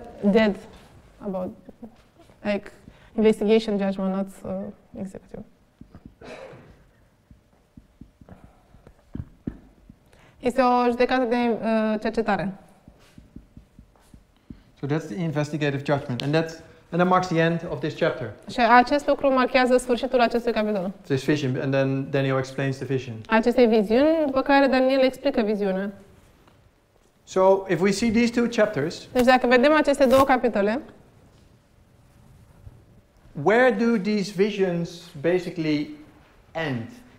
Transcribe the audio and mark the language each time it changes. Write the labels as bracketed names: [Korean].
[English] Dead about like investigation judgment, not executive. [Romanian] Este o judecată de cercetare. [English] So that's the investigative judgment and that marks the end of this chapter. [Romanian] Și acest lucru marchează sfârșitul acestui capitol. [English] This vision and then Daniel explains the vision. [Romanian] Aceste viziuni, după care Daniel explică viziunea. [English] So if we see these two chapters, [Romanian] deci dacă vedem aceste două capitole, [English] where do these visions basically end?